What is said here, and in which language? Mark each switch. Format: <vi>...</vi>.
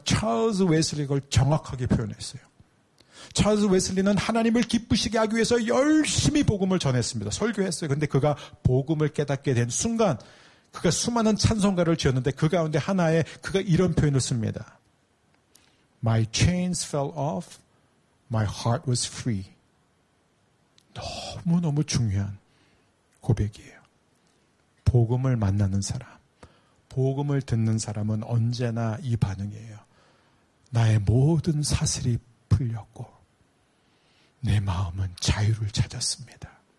<ko>찰스 웨슬리가 그걸 정확하게 표현했어요. 찰스 웨슬리는 하나님을 기쁘시게 하기 위해서 열심히 복음을 전했습니다. 설교했어요. 그런데 그가 복음을 깨닫게 된 순간 그가 수많은 찬송가를 지었는데 그 가운데 하나에 그가 이런 표현을 씁니다.</ko> <en>My chains fell off, my heart was free.</en> <ko>너무너무 중요한 고백이에요. 복음을 만나는 사람, 복음을 듣는 사람은 언제나 이 반응이에요. 나의 모든 사슬이 풀렸고 내 마음은 자유를 찾았습니다.</ko>